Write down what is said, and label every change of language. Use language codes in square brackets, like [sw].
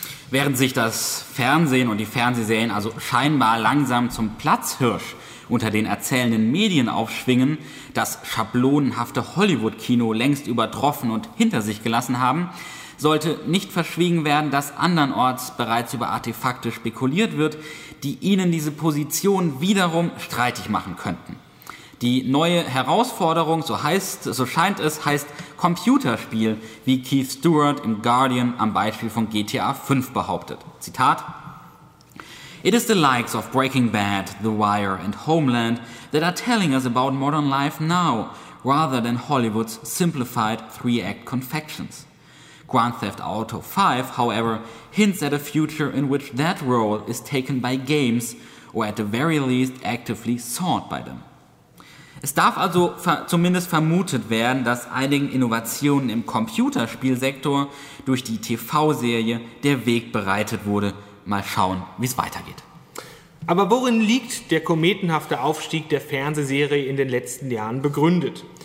[de] Während sich das Fernsehen und die Fernsehserien also scheinbar langsam zum Platzhirsch unter den erzählenden Medien aufschwingen, das schablonenhafte Hollywood-Kino längst übertroffen und hinter sich gelassen haben, sollte nicht verschwiegen werden, dass andernorts bereits über Artefakte spekuliert wird, die ihnen diese Position wiederum streitig machen könnten. Die neue Herausforderung, so scheint es, heißt Computerspiel, wie Keith Stewart im Guardian am Beispiel von GTA 5 behauptet. [en] Zitat: It is the likes of Breaking Bad, The Wire and Homeland that are telling us about modern life now, rather than Hollywood's simplified three-act confections. Grand Theft Auto 5, however, hints at a future in which that role is taken by games or at the very least actively sought by them. [de] Es darf also zumindest vermutet werden, dass einigen Innovationen im Computerspielsektor durch die TV-Serie der Weg bereitet wurde. Mal schauen, wie es weitergeht. Aber worin liegt der kometenhafte Aufstieg der Fernsehserie in den letzten Jahren begründet?